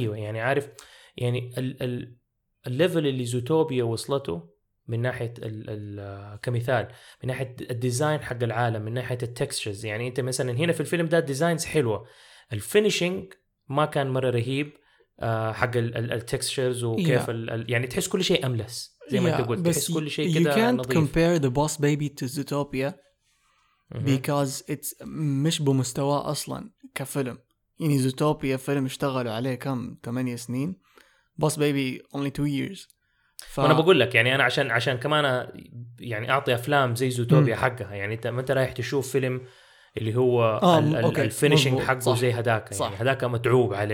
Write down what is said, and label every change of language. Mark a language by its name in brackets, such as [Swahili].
[Arabic] ايوه يعني عارف يعني الليفل اللي زوتوبيا وصلته من ناحيه كمثال، من ناحيه الديزاين حق العالم، من ناحيه التكستشرز. يعني انت مثلا هنا في الفيلم ده ديزاينز حلوه، الفينيشينج ما كان مره رهيب حق التكستشرز وكيف يعني تحس كل شيء املس زي ما انت قلت، تحس كل شيء كده نظيف. [English] You can't compare the boss baby to Zootopia because it's [Arabic] مش بمستوى اصلا كفيلم. يعني زوتوبيا فيلم اشتغلوا عليه كم 8 سنين، بوس بيبي [English] Only 2 years. [Arabic] وانا بقول لك يعني انا عشان كمان يعني اعطي افلام زي زوتوبيا حقها، يعني انت ما انت رايح تشوف فيلم اللي هو الفينيشينج حقه صح. زي هداك يعني هداك متعوب عليه